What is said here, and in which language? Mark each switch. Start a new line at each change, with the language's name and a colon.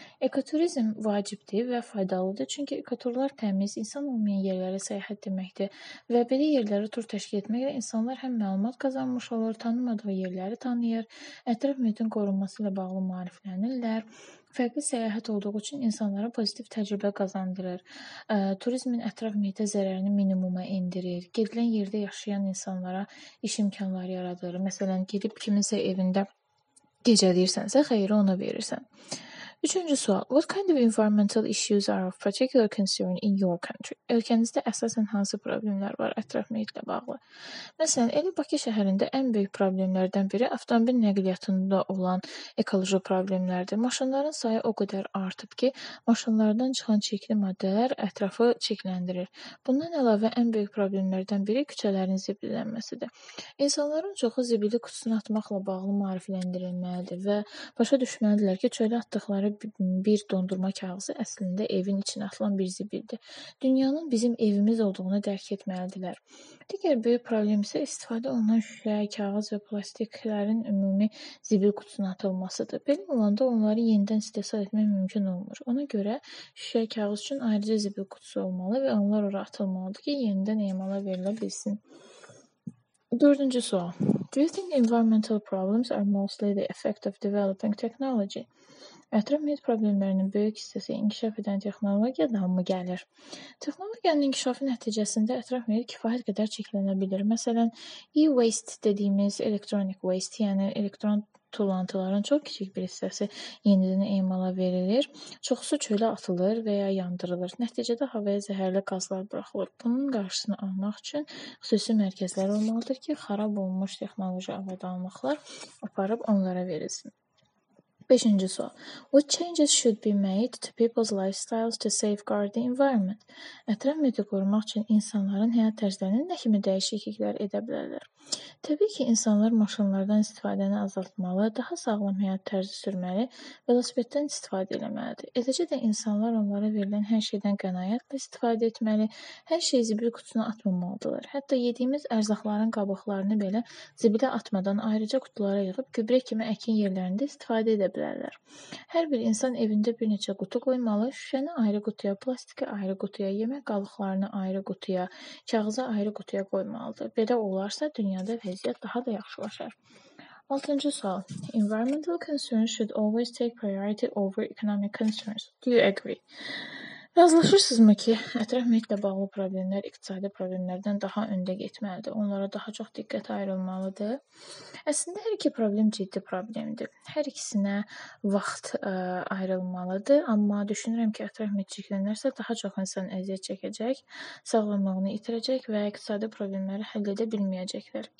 Azerbaijani: Ekoturizm vacibdir və faydalıdır, çünki ekoturlar təmiz, insan olmayan yerlərə səyahət deməkdir və belə yerlərə tur təşkil etməklə insanlar həm məlumat qazanmış olur, tanımadığı yerləri tanıyır, ətraf mühitin qorunması ilə bağlı maariflənirlər. Fərqli səyahət olduğu üçün insanlara pozitiv təcrübə qazandırır, turizmin ətraf mühitə zərərini minimuma indirir, gedilən yerdə yaşayan insanlara iş imkanları yaradır, məsələn, gedib kiminsə evində gecələyirsənsə xeyri ona verirsən. Üçüncü sual,
English: what kind of environmental issues are of particular concern in your country?
Azerbaijani: Ölkənizdə əsasən hansı problemlər var ətraf mühitlə bağlı? Məsələn, elə Bakı şəhərində ən böyük problemlərdən biri avtomobil nəqliyyatında olan ekoloji problemlərdir. Maşınların sayı o qədər artıb ki, maşınlardan çıxan çirkli maddələr ətrafı çirkləndirir. Bundan əlavə ən böyük problemlərdən biri küçələrin zibillənməsidir. İnsanların çoxu zibili qutusuna atmaqla bağlı maarifləndirilməlidir və başa düşməlidirlər ki, çölə atdıqları bir dondurma kağızı əslində evin içinə atılan bir zibildir. Dünyanın bizim evimiz olduğunu dərk etməlidirlər. Digər böyük problem isə istifadə olunan şüşə, kağız və plastiklərin ümumi zibil qutusuna atılmasıdır. Belə olanda onları yenidən istehsal etmək mümkün olmur. Ona görə şüşə, kağız üçün ayrıca zibil qutusu olmalı və onlar ora atılmalıdır ki, yenidən emala verilə bilsin. Dördüncü sual.
English: Do you think environmental problems are mostly the effect of developing technology?
Azerbaijani: Ətraf mühit problemlərinin böyük hissəsi inkişaf edən texnologiyadan mı gəlir? Texnologiyanın inkişafı nəticəsində ətraf mühit kifayət qədər çirklənə bilir. Məsələn, e-waste dediyimiz electronic waste, yəni elektron tullantıların çox kiçik bir hissəsi yenidən emala verilir, çoxusu çölə atılır və ya yandırılır. Nəticədə havaya zəhərli qazlar buraxılır. Bunun qarşısını almaq üçün xüsusi mərkəzlər olmalıdır ki, xarab olmuş texnoloji avadanlıqlar aparıb onlara verilsin. 5-ci sual.
English: What changes should be made to people's lifestyles to safeguard the environment?
Azerbaijani: Ətraf mühiti qorumaq üçün insanların həyat tərzlərini nə kimi dəyişikliklər edə bilərlər? Təbii ki, insanlar maşınlardan istifadəni azaltmalı, daha sağlam həyat tərzi sürməli, velosipeddən istifadə etməlidir. Eləcə də insanlar onlara verilən hər şeydən qənaətlə istifadə etməli, hər şeyi zibil qutusuna atmamalıdırlar. Hətta yediyimiz ərzaqların qabıqlarını belə zibilə atmadan ayrıca qutulara yığıb gübrə kimi əkin yerlərində istifadə edə bilərlər. Hər bir insan evində bir neçə qutu qoymalı, şüşəni ayrı qutuya, plastiki ayrı qutuya, yemək qalıqlarını ayrı qutuya, kağızı ayrı qutuya qoymalıdır. Belə olarsa dünyada vəziyyət daha da yaxşılaşar. 6-cı sual.
English: Environmental concerns should always take priority over economic concerns. Do you agree?
Azerbaijani: Razılaşırsınızmı ki, ətraf mühitlə bağlı problemlər iqtisadi problemlərdən daha öndə getməlidir, onlara daha çox diqqət ayrılmalıdır? Əslində, hər iki problem ciddi problemdir. Hər ikisinə vaxt ayrılmalıdır, amma düşünürəm ki, ətraf mühit çirklənərsə daha çox insan əziyyət çəkəcək, sağlamlığını itirəcək və iqtisadi problemləri həll edə bilməyəcəklər.